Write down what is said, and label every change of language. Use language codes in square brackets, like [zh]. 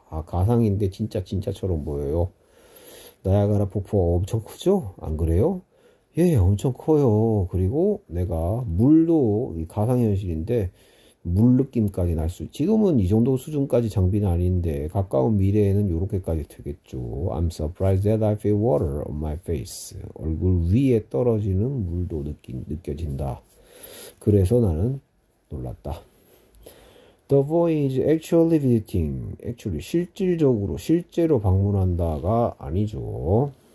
[ko] 아, 가상인데 진짜 진짜처럼 보여요. 나이아가라 폭포 엄청 크죠? 안 그래요? 예, 엄청 커요. 그리고 내가 물도 가상현실인데 물 느낌까지 날 수, 지금은 이 정도 수준까지 장비는 아닌데, 가까운 미래에는 요렇게까지 되겠죠. [en] I'm surprised that I feel water on my face. [ko] 얼굴 위에 떨어지는 물도 느껴진다. 그래서 나는 놀랐다. [en] The voyage actually visiting. [ko] Actually, 실질적으로, 실제로 방문한다가 아니죠.